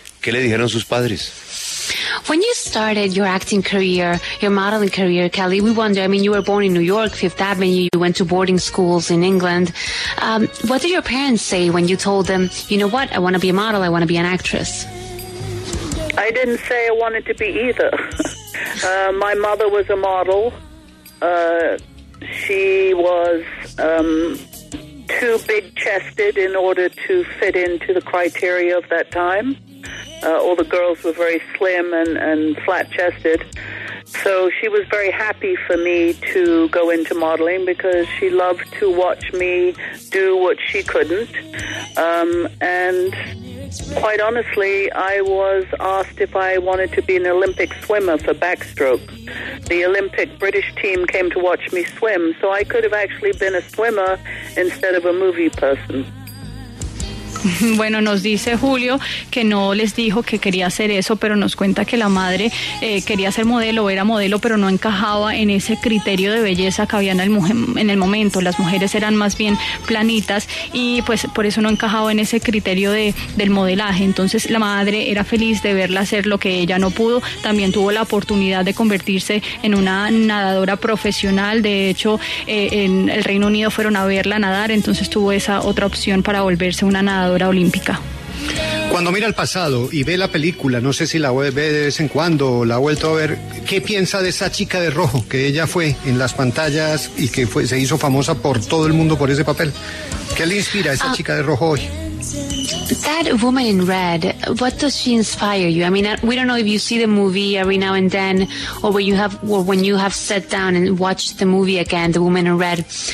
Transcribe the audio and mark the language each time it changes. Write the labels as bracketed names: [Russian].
[Spanish] ¿Qué le dijeron sus padres? [English] When you started your acting career, your modeling career, Kelly, we wonder, I mean, you were born in New York, Fifth Avenue, you went to boarding schools in England. What did your parents say when you told them, you know what, I want to be a model, I want to be an actress? I didn't say I wanted to be either. My mother was a model. She was too big-chested in order to fit into the criteria of that time. All the girls were very slim and flat-chested. So she was very happy for me to go into modeling because she loved to watch me do what she couldn't. And quite honestly, I was asked if I wanted to be an Olympic swimmer for backstroke. The Olympic British team came to watch me swim, so I could have actually been a swimmer instead of a movie person. [Spanish] Bueno, nos dice Julio que no les dijo que quería hacer eso, pero nos cuenta que la madre quería ser modelo, era modelo, pero no encajaba en ese criterio de belleza que había en el momento. Las mujeres eran más bien planitas y pues por eso no encajaba en ese criterio del modelaje. Entonces la madre era feliz de verla hacer lo que ella no pudo. También tuvo la oportunidad de convertirse en una nadadora profesional. De hecho, en el Reino Unido fueron a verla nadar, entonces tuvo esa otra opción para volverse una nadadora olímpica. Cuando mira el pasado y ve la película, no sé si la ve de vez en cuando o la ha vuelto a ver, ¿qué piensa de esa chica de rojo que ella fue en las pantallas y que fue, se hizo famosa por todo el mundo por ese papel? ¿Qué le inspira a esa chica de rojo hoy? [English] That woman in red, what does she inspire you? I mean, we don't know if you see the movie every now and then, or when you have sat down and watched the movie again, The Woman in Red.